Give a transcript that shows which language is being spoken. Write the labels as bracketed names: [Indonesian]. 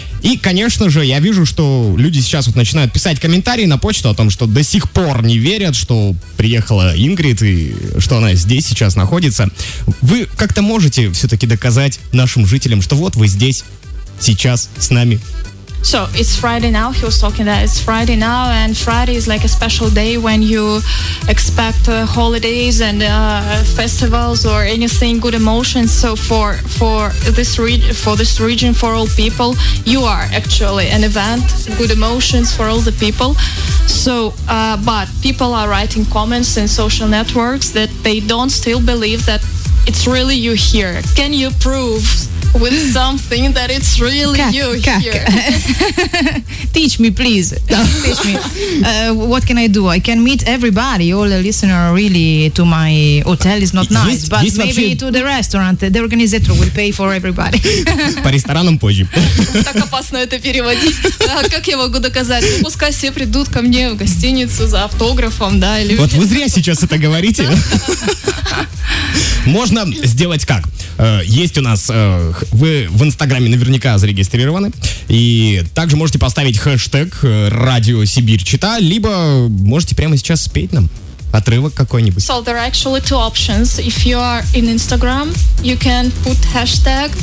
[Russian] И, конечно же, я вижу, что люди сейчас вот начинают писать комментарии на почту о том, что до сих пор не верят, что приехала Ингрид и что она здесь сейчас находится. Вы как-то можете все-таки доказать нашим жителям, что вот вы здесь сейчас с нами? [English] So, it's Friday now, he was talking that it's Friday now, and Friday is like a special day when you expect holidays and festivals or anything, good emotions, so for this region, for all people, you are actually an event, good emotions for all the people, but people are writing comments in social networks that they don't still believe that it's really you here. Can you prove with something that it's really you here? Teach me, please. Teach me. What can I do? I can meet everybody, all the listener, really, to my hotel is not nice, but maybe [Russian] вообще [English] to the restaurant. The organizer will pay for everybody. [Russian] По ресторанам позже. Так опасно это переводить. Как я могу доказать? Ну, пускай все придут ко мне в гостиницу за автографом, да? Или вот вы зря сейчас это говорите. Можно сделать как? Есть у нас, вы в Инстаграме наверняка зарегистрированы, и также можете поставить хэштег «Радио Сибирь Чита», либо можете прямо сейчас спеть нам отрывок какой-нибудь. [English] So there are actually two options. If you are in Instagram, you can put hashtag.